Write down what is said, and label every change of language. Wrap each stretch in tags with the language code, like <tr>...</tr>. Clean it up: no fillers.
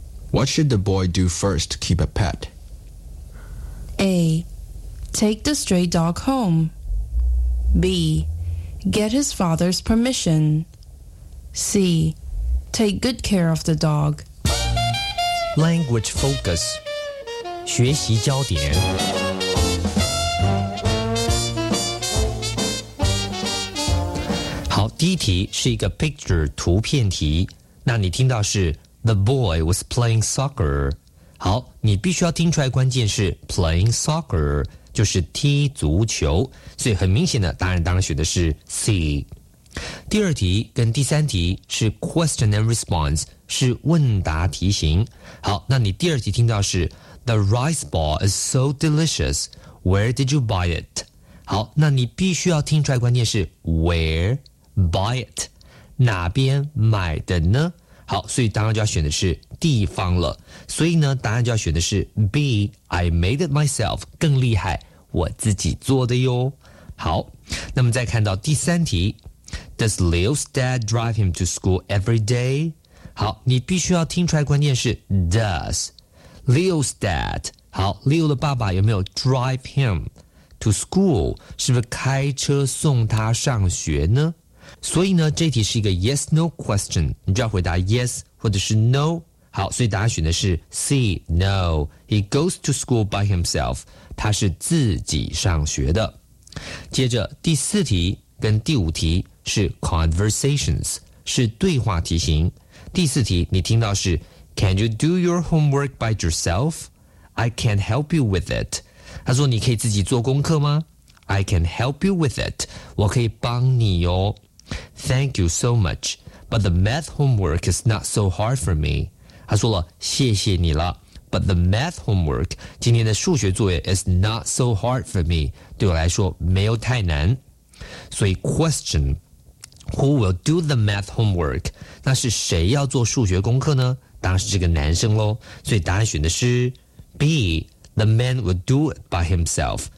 <en>What should the boy do first to keep a pet? A. Take the stray dog home. B. Get his father's permission. C. Take good care of the dog. Language focus.</en> <zh>学习焦点 好，第一题是一个 picture 图片题。那你听到是</zh> <en>The boy was playing soccer.</en> <zh>好，你必须要听出来关键是</zh> <en>playing soccer.</en> <zh>就是踢足球，所以很明显的答案当然选的是 C。第二题跟第三题是</zh> <en>question and response，</en> <zh>是问答题型。</zh> <en>好，那你第二题听到是 The rice ball is so delicious. Where did you buy it?</en> <zh>好，那你必须要听出来关键是</zh> <en>where buy it，</en> <zh>哪边买的呢？好，所以当然就要选的是地方了。所以呢，答案就要选的是 B.</zh> <en>I made it myself，</en> <zh>更厉害，我自己做的哟。好，那么再看到第三题</zh> <en>，Does Leo's dad drive him to school every day？</en> <zh>好，你必须要听出来，关键是</zh> <en>Does Leo's dad？</en> <zh>好 ，Leo 的爸爸有没有</zh> <en>drive him to school？</en> <zh>是不是开车送他上学呢？所以呢，这题是一个</zh> <en>yes no question，</en> <zh>你就要回答 yes 或者是 no。好，所以答案选的是 C no。</zh> <en>He goes to school by himself，</en> <zh>他是自己上学的。接着第四题跟第五题是 conversations， 是对话题型。第四题你听到是</zh> <en>Can you do your homework by yourself？ I can help you with it。</en> <zh>他说你可以自己做功课吗？</zh> <en>I can help you with it，</en> <zh>我可以帮你哦。</zh> <en>Thank you so much, but the math homework is not so hard for me.</en> <zh>他说了，谢谢你了</zh> <en>，but the math homework</en> <zh>今天的数学作业</zh> <en>is not so hard for me.</en> <zh>对我来说没有太难。</zh> <en>所以 question, who will do the math homework?</en> <zh>那是谁要做数学功课呢？当然是这个男生喽。所以答案选的是 B.</zh> <en>The man will do it by himself.</en>